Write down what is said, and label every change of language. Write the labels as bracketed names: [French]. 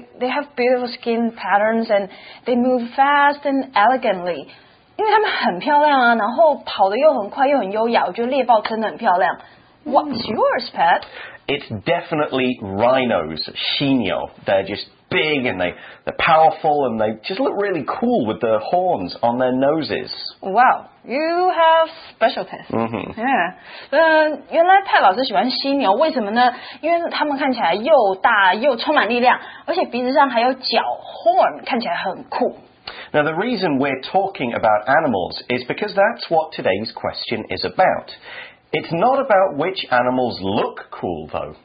[English] They have beautiful skin patterns and they move fast and elegantly. [Chinese] 因为它们很漂亮啊，然后跑得又很快又很优雅，我觉得猎豹真的很漂亮。 [English] What's yours, Pat? It's definitely rhinos, 犀牛. They're just big and they're powerful and they just look really cool with the horns on their noses. Wow, you have special taste. Yeah. [Chinese] 原来 Pat 老师喜欢犀牛，为什么呢？因为他们看起来又大又充满力量，而且鼻子上还有角 horn， 看起来很酷。 [English] Now, the reason we're talking about animals is because that's what today's question is about. It's not about which animals look cool, though.